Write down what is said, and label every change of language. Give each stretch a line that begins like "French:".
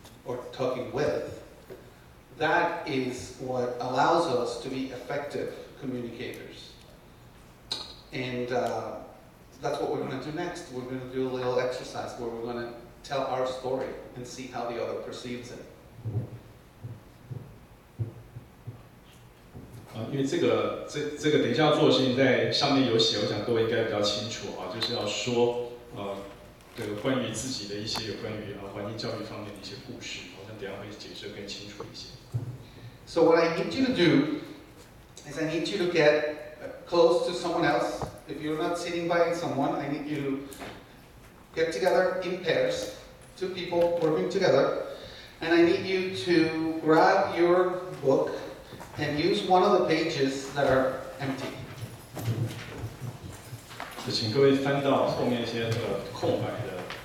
English: Or talking with, that is what allows us to be effective communicators. And that's what we're going to do next. We're going to do a little exercise where we're going to tell our story and see how the other perceives it.
Chinese: 因为这个等一下要做的事情在上面有写，我想各位应该比较清楚啊，就是要说这个关于自己的一些有关于环境教育方面的一些故事，好像等一下会解释更清楚一些。
English: So what I need you to do is I need you to get close to someone else. If you're not sitting by someone, I need you to get together in pairs, two people working together, and I need you to grab your book and use one of the pages that are empty.
Chinese: 请各位翻到后面一些这个空白的。